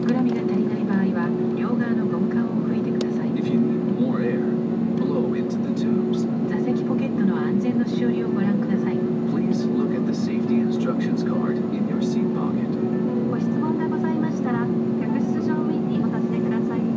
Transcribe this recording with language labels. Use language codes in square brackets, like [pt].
[ja] 膨らみが足りない場合は両側のゴム管を拭いてください。 [en] If you need more air, blow into the tubes. [ja] 座席ポケットの安全のしおりをご覧ください。 [en] Please look at the safety instructions card in your seat pocket. [ja] ご質問がございましたら客室乗務員にお尋ねください。